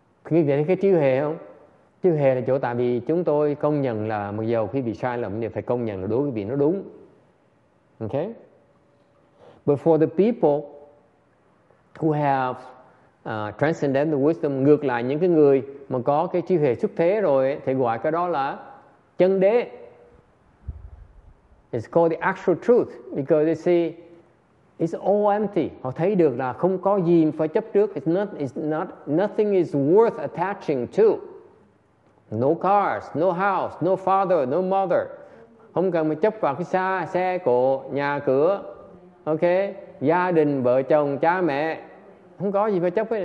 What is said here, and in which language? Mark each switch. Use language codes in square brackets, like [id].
[vi] Quý vị thấy cái trí huệ không? Trí huệ là chỗ tại vì chúng tôi công nhận là mặc dù quý vị sai lầm, thì phải công nhận là đối với vị nó đúng. [en] Okay? But for the people who have transcendental wisdom, [vi] ngược lại những cái người mà có cái trí huệ xuất thế rồi ấy, thì gọi cái đó là chân đế. [en] It's called the actual truth because they see it's all empty. [vi] Họ thấy được là không có gì phải chấp trước. [en] Nothing is worth attaching to. No cars, no house, no father, no mother. [vi] Không cần phải chấp vào cái xe cộ, nhà cửa, okay, gia đình, vợ chồng, cha mẹ. Không có gì phải chấp hết.